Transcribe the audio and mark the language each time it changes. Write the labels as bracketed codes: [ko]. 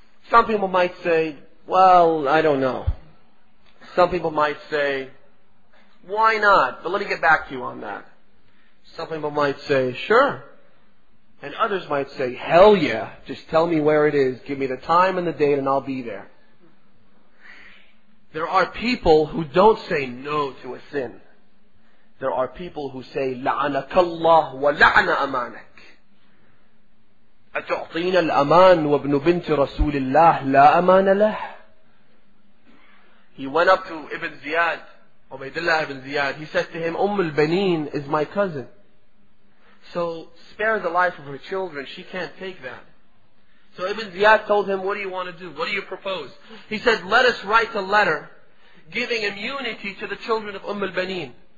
[en] Some people might say, well, I don't know. Some people might say, why not? But let me get back to you on that. Some people might say, sure. And others might say, hell yeah, just tell me where it is. Give me the time and the date and I'll be there. There are people who don't say no to a sin. There are people who say, [ar] لَعَنَكَ اللَّهُ وَلَعْنَ أَمَانَكَ أَتُعْطِينَ الْأَمَانُ وَابْنُ بِنْتِ رَسُولِ اللَّهِ لَا أَمَانَ لَهُ. [en] He went up to Ibn Ziyad, Ubaydullah Ibn Ziyad. He said to him, Ummul Baneen is my cousin. So spare the life of her children, she can't take that. So Ibn Ziyad told him, what do you want to do? What do you propose? He said, let us write a letter giving immunity to the children of Umm al-Baneen.